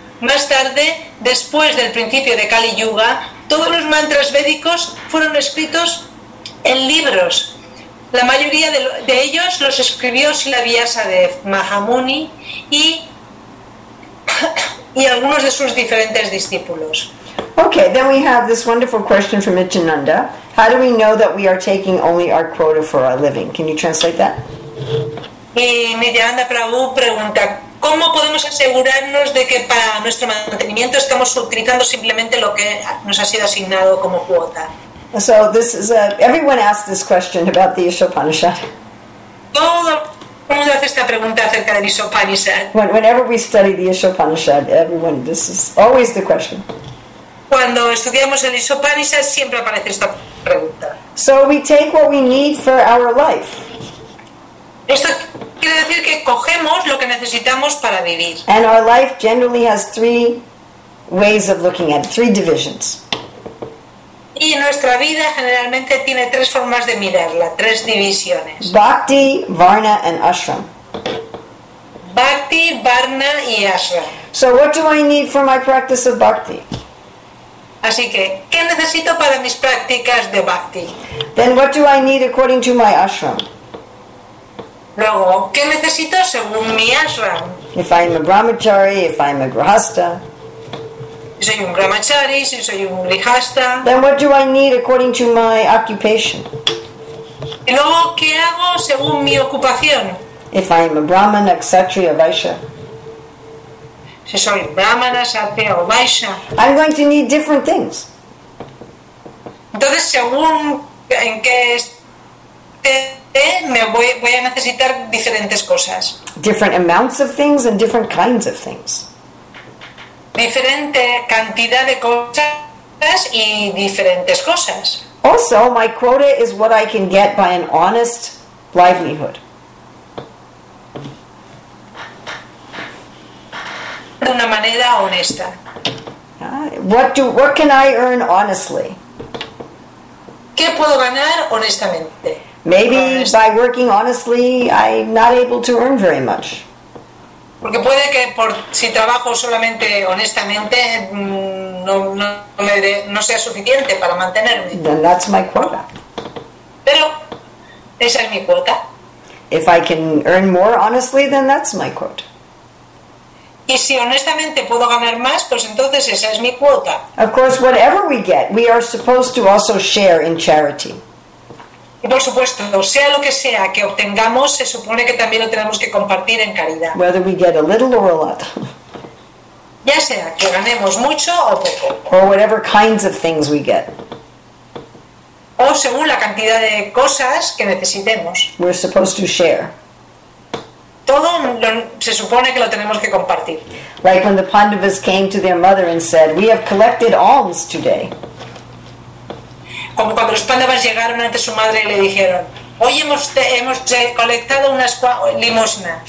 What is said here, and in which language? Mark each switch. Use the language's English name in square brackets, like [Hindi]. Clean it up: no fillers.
[Spanish] Más tarde, después del principio de Kali Yuga, todos los mantras védicos fueron escritos en libros. La mayoría de ellos los escribió Srila Vyasadeva Mahamuni y algunos de sus diferentes discípulos. [English] Okay, then we have this wonderful question from Ichinanda. How do we know that we are taking only our quota for our living? Can you translate that? [Spanish] Y Nityananda Prabhu pregunta, ¿cómo podemos asegurarnos de que para nuestro mantenimiento estamos utilizando simplemente lo que nos ha sido asignado como cuota? [English] So this is everyone asks this question about the Isopanishad. [Spanish] Todo el mundo hace esta pregunta acerca del Isopanishad. [English] Whenever we study the Isopanishad, everyone, this is always the question. [Spanish] Cuando estudiamos el Isopanishad siempre aparece esta pregunta. [English] So we take what we need for our life. [Spanish] Esto quiere decir que cogemos lo que necesitamos para vivir. [English] And our life generally has three ways of looking at it, three divisions. [Spanish] Y nuestra vida generalmente tiene tres formas de mirarla, tres divisiones. [English] Bhakti, Varna, and Ashram. [Spanish] Bhakti, Varna y Ashram. [English] So what do I need for my practice of Bhakti? [Spanish] Así que, ¿qué necesito para mis prácticas de Bhakti? [English] Then what do I need according to my Ashram? [Spanish] Luego, ¿qué necesito según mi Ashram? [English] If I'm a Brahmachari, if I'm a Grihastha. [Spanish] Si soy un Brahmachari, si soy un Grihastha. [English] Then what do I need according to my occupation? [Spanish] Y luego, ¿qué hago según mi ocupación? [English] If I'm a Brahman, a Kshatriya, a Vaishya. [Spanish] Si soy Brahmana, Kshatriya o Vaishya. [English] I'm going to need different things. [Spanish] Entonces, según en qué esté, voy a necesitar diferentes cosas. [English] Different amounts of things and different kinds of things. [Spanish] Diferente cantidad de cosas y diferentes cosas. [English] Also, my quota is what I can get by an honest livelihood. [Spanish] De una manera honesta. [English] What can I earn honestly? [Spanish] ¿Qué puedo ganar honestamente? [English] Maybe by working honestly, I'm not able to earn very much. [Spanish] Porque puede que por si trabajo solamente honestamente no sea suficiente para mantenerme. [English] Then that's my quota. [Spanish] Pero esa es mi cuota. [English] If I can earn more honestly, then that's my quota. [Spanish] Y si honestamente puedo ganar más, pues entonces esa es mi cuota. [English] Of course, whatever we get, we are supposed to also share in charity. [Spanish] Y por supuesto, sea lo que sea que obtengamos, se supone que también lo tenemos que compartir en caridad. [English] Whether we get a little or a lot. [Spanish] Ya sea que ganemos mucho o poco. [English] Or whatever kinds of things we get. [Spanish] O según la cantidad de cosas que necesitemos. [English] We're supposed to share. [Spanish] Todo se supone que lo tenemos que compartir. [English] Like when the Pandavas came to their mother and said, "We have collected alms today." [Spanish] Como cuando los Pandavas llegaron ante su madre y le dijeron, "Hoy hemos colectado unas limosnas."